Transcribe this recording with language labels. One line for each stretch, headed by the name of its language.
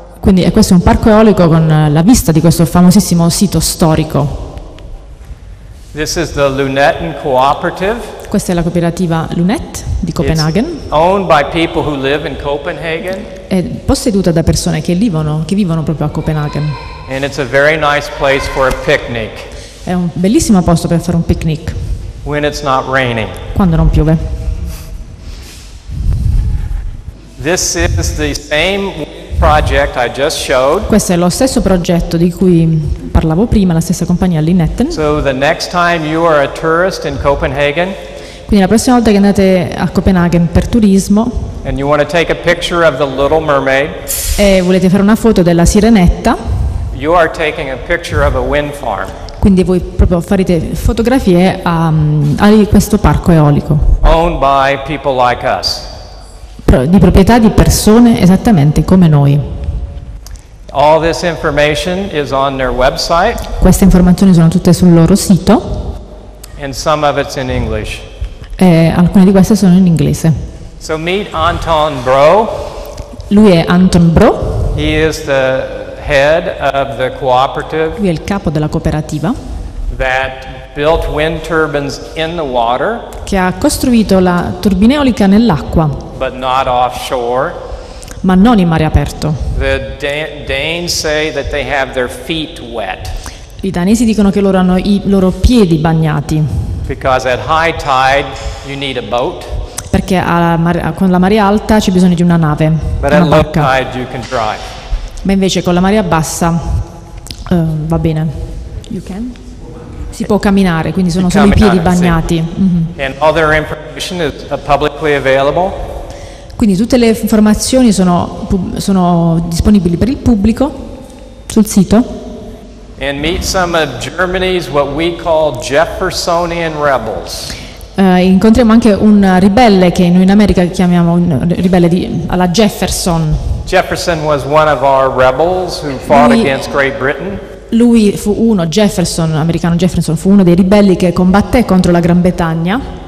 Italian: Quindi questo è un parco eolico con la vista di questo famosissimo sito storico.
English: This is the Lunetten Cooperative.
Italian: Questa è la cooperativa Lunet di Copenaghen.
English: It's owned by people who live in Copenhagen.
Italian: È posseduta da persone che vivono proprio a Copenaghen.
English: And it's a very nice place for a picnic.
Italian: È un bellissimo posto per fare un picnic.
English: When it's not raining.
Italian: Quando non piove.
English: This is the same project I just showed.
Italian: Questo è lo stesso progetto di cui parlavo prima, la stessa compagnia Lunetten.
English: So the next time you are a tourist in Copenhagen.
Italian: Quindi la prossima volta che andate a Copenaghen per turismo.
English: And you want to take a picture of the Little Mermaid.
Italian: E volete fare una foto della sirenetta.
English: You are taking a picture of a wind farm.
Italian: Quindi voi proprio farete fotografie a questo parco eolico.
English: Owned by people like us.
Italian: Di proprietà di persone esattamente come noi.
English: All this information is on their website.
Italian: Queste informazioni sono tutte sul loro sito.
English: And some of it's in English.
Italian: E alcune di queste sono in inglese.
English: So meet Anton Bro.
Italian: Lui è Anton Bro.
English: He is the head of the cooperative.
Italian: Lui è il capo della cooperativa.
English: That built wind turbines in the water.
Italian: Che ha costruito la turbina eolica nell'acqua.
English: But not offshore.
Italian: Ma non in mare aperto.
English: The Danes say that they have their feet wet.
Italian: I danesi dicono che loro hanno i loro piedi bagnati.
English: Because at high tide you need a boat.
Italian: Perché con la marea alta c'è bisogno di una nave.
English: But
Italian: una
English: at
Italian: barca.
English: Low tide you can drive.
Italian: Ma invece con la marea bassa va bene.
English: You can.
Italian: Si può camminare, quindi sono solo i piedi bagnati.
English: And all their information is publicly available.
Italian: Quindi tutte le informazioni sono disponibili per il pubblico sul sito.
English: And meet some of Germany's what we call Jeffersonian rebels.
Italian: Incontriamo anche un ribelle che noi in America chiamiamo un ribelle alla Jefferson.
English: Jefferson was one of our rebels who fought against Great Britain.
Italian: Lui fu uno, Jefferson, americano Jefferson, fu uno dei ribelli che combatté contro la Gran Bretagna.